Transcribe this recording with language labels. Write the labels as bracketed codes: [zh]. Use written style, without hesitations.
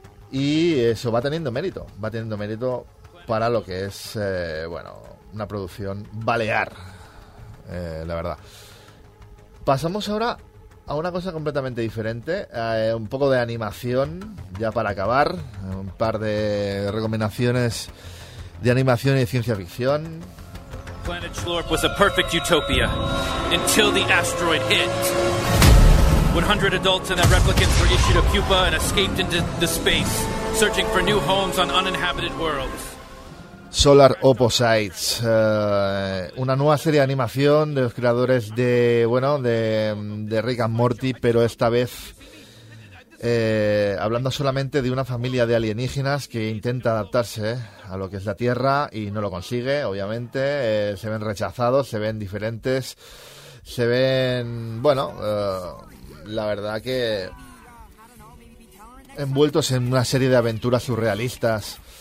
[es] Y eso va teniendo mérito para lo que es bueno, una producción balear, la verdad. Pasamos ahora a una cosa completamente diferente, un poco de animación, ya para acabar, un par de recomendaciones de animación y de ciencia ficción. [en] Planet Shlorp was a perfect utopia until the asteroid hit. 100 adults and their replicants were issued a pupa and escaped into the space, searching for new homes on uninhabited worlds. [es] Solar Opposites, una nueva serie de animación de los creadores de, bueno, de Rick and Morty, pero esta vez hablando solamente de una familia de alienígenas que intenta adaptarse a lo que es la Tierra y no lo consigue, obviamente, se ven rechazados, se ven diferentes, se ven, bueno, la verdad que envueltos en una serie de aventuras surrealistas.